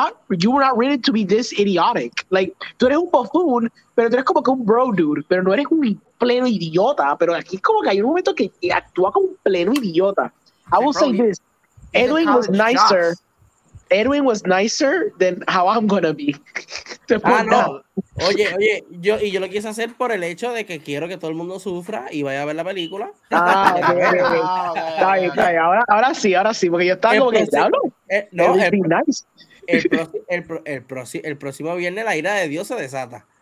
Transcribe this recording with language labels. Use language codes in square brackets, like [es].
[en] You were not ready to be this idiotic. [es] Like, tú eres un buffoon, pero tú eres como que un bro dude, pero no eres un pleno idiota. Pero aquí es como que hay un momento que actúa como un pleno idiota. [en] I will say this. Edwin was nicer than how I'm gonna be. No. [es] Oye, yo lo quise hacer por el hecho de que quiero que todo el mundo sufra y vaya a ver la película. Okay. Ahora sí, porque yo estaba como que te hablo. El próximo viernes la ira de Dios se desata.